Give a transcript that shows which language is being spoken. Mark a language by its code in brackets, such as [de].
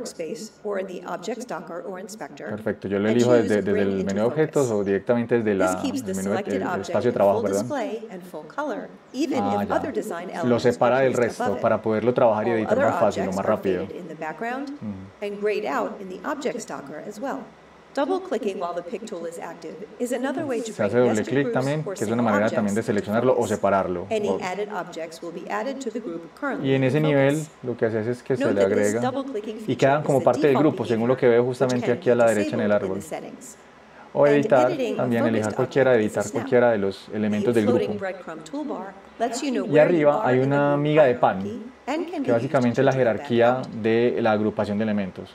[es] Perfecto, yo lo elijo desde el menú de objetos o directamente desde el menú de espacio de trabajo, ¿verdad? Ah, lo separa del resto para poderlo trabajar y editar más fácil o más rápido. [en] And grayed out in the objects docker as well. Double clicking while the pick tool is active is another way to create double click [es] también, que es una manera también de seleccionarlo o separarlo. [en] Any added objects will be added to the group currently. [es] Y en ese nivel lo que hace es que se le agrega y quedan como parte del grupo, según lo que veo justamente aquí a la derecha en el árbol. O editar, también elijar cualquiera, editar cualquiera de los elementos del grupo. Y arriba hay una miga de pan, que básicamente es la jerarquía de la agrupación de elementos.